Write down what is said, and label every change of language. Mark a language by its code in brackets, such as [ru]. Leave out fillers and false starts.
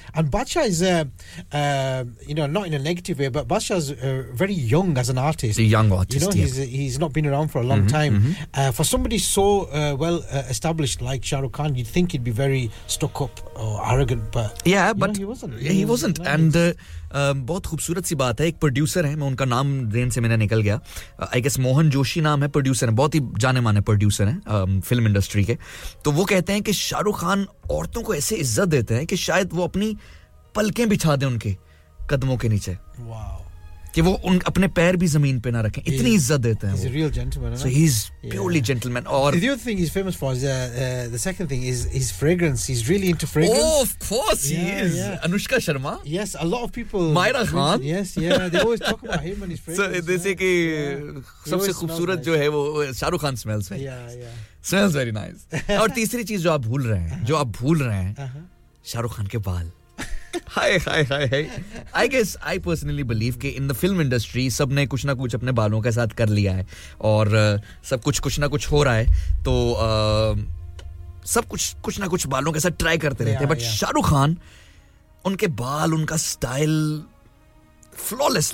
[en] And Badshah is, you know, not in a negative way, but Badshah's very young as an artist. He's a young artist, you know, he's not been around for a long time. Mm-hmm. For somebody so well established like Shah Rukh Khan, you'd think he'd be very stuck up or arrogant, but... Yeah, but... Know, he wasn't. Yeah, he wasn't. Nice. And... [hi] बहुत खूबसूरत सी बात है एक producer है मैं उनका नाम then से मैंने निकल गया आई गेस मोहन जोशी नाम है प्रोड्यूसर है बहुत ही जाने माने प्रोड्यूसर हैं फिल्म इंडस्ट्री के तो वो कहते हैं कि शाहरुख खान औरतों को ऐसे इज्जत देते हैं कि शायद वो अपनी पलकें बिछा दें उनके कदमों के नीचे [en] wow. [hi] कि वो उन अपने पैर भी जमीन पे ना रखें इतनी इज्जत देते हैं [en] he's a real gentleman, so he's purely gentleman और the other thing he's famous for is the second thing is his fragrance he's really into fragrance oh of course he is Anushka Sharma yes a lot of people Mayra Khan yes yeah they always talk about him and his fragrance so they say [hi] कि सबसे खूबसूरत जो है वो Shahrukh Khan smells [en] है yeah smells very nice [hi] और तीसरी चीज जो आप भूल रहे हैं शाहरुख खान के बाल Hi. [en] I guess I personally believe that in the film industry, everyone has done something with their hair and everything is happening with their hair. So, everyone tries something with their hair. But Shah Rukh Khan, his hair, his style, flawless.